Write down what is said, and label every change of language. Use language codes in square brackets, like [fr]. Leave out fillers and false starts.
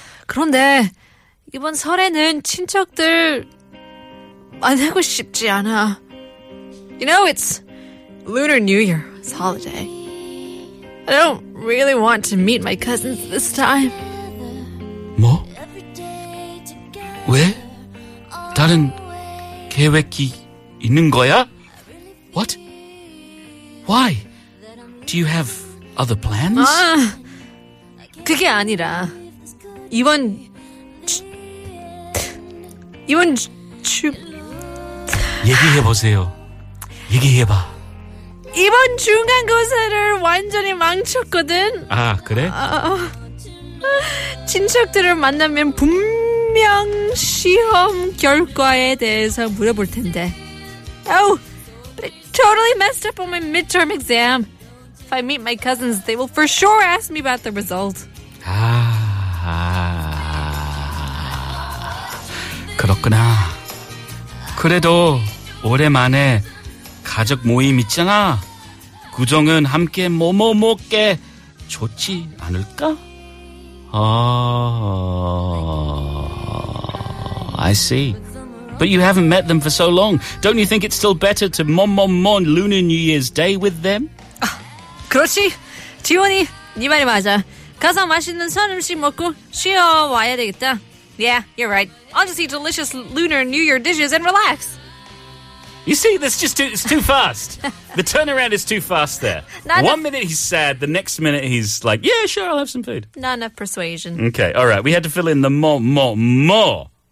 [ko] 그런데 이번 설에는 친척들 만나고 싶지 않아. [en] You know, it's Lunar New Year's holiday. I don't really want to meet my cousins this time. [ko] 뭐? 왜? 다른 계획이 있는 거야? [en] What? Why? Do you have other plans? [ko] 아, 그게 아니라 이번 주 얘기해 보세요. 얘기해 봐. 이번 중간고사를 완전히 망쳤거든. 아, 그래? 친척들을 만나면 분명 시험 결과에 대해서 물어볼 텐데. [en] Oh, but I totally messed up on my midterm exam. If I meet my cousins, they will for sure ask me about the result. [ko] 아, 그렇구나. 그래도 오랜만에 가족 모임 있잖아. 구정은 함께 뭐뭐 먹게 좋지 않을까? 아, [en] I see. But you haven't met them for so long. Don't you think it's still better to 뭐뭐뭐 Lunar New Year's Day with them? [ko] 그렇지. 지원이, 네 말이 맞아. 가서 맛있는 선 음식 먹고 쉬어 와야 되겠다. [en] Yeah, you're right. I'll just eat delicious Lunar New Year dishes and relax. You see, that's just too, it's too fast. The turnaround is too fast there. One minute he's sad, the next minute he's like, yeah, sure, I'll have some food. Not enough persuasion. Okay, all right. We had to fill in the more.